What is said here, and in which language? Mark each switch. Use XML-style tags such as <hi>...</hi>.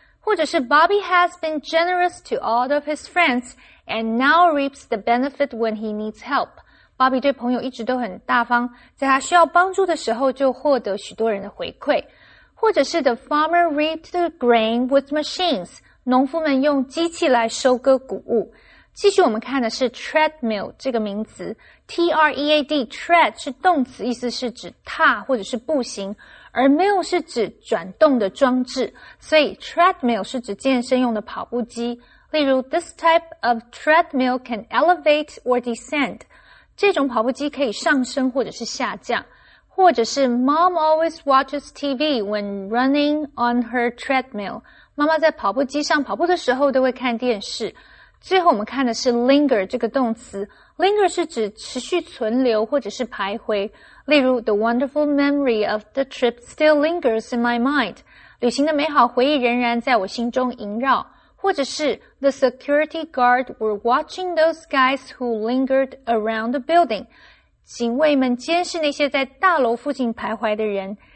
<zh>或者是</zh> <en>Bobby has been generous to all of his friends and now reaps the benefit when he needs help.</en> <zh>Bobby 对朋友一直都很大方，在他需要帮助的时候就获得许多人的回馈。或者是</zh> <en>the farmer reaped the grain with machines.</en> <zh>农夫们用机器来收割谷物。继续我们看的是 treadmill 这个名词。T-R-E-A-D, tread 是动词，意思是指踏或者是步行。而 mill 是指转动的装置。所以 treadmill 是指健身用的跑步机。例如</zh> <en>this type of treadmill can elevate or descend.</en> <zh>这种跑步机可以上升或者是下降。或者是</zh> <en>Mom always watches TV when running on her treadmill.</en> <zh>妈妈在跑步机上跑步的时候都会看电视。最后我们看的是 linger 这个动词。linger 是指持续存留或者是徘徊。例如</zh> <en>The wonderful memory of the trip still lingers in my mind.</en> <zh>旅行的美好回忆仍然在我心中萦绕。或者是</zh> <en>The security guard were watching those guys who lingered around the building.</en> <zh>警卫们监视那些在大楼附近徘徊的人。</zh>